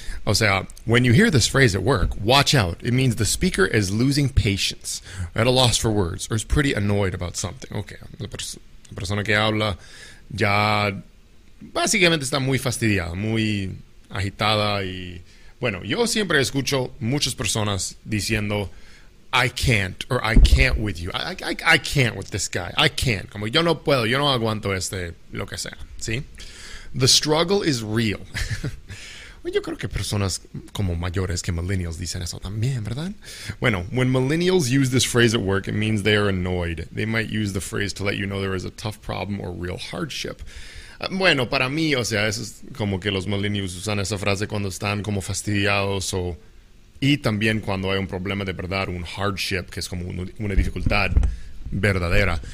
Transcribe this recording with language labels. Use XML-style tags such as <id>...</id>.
<es>O sea,</es> <en>when you hear this phrase at work, watch out. It means the speaker is losing patience, at a loss for words, or is pretty annoyed about something.</en> <es>Okay, la persona que habla ya básicamente está muy fastidiada, muy agitada. Y bueno, yo siempre escucho muchas personas diciendo</es> <en>I can't, or I can't with you. I can't with this guy. I can't.</en> <es>Como yo no puedo, yo no aguanto este, lo que sea. ¿Sí?</es> <en>The struggle is real.</en> <es>Yo creo que personas como mayores que millennials dicen eso también, ¿verdad?</es> <en>Bueno, when millennials use this phrase at work, it means they are annoyed. They might use the phrase to let you know there is a tough problem or real hardship.</en> <es>Bueno, para mí, o sea, eso es como que los millennials usan esa frase cuando están como fastidiados o... Y también cuando hay un problema de verdad, un hardship, que es como una dificultad verdadera.</es>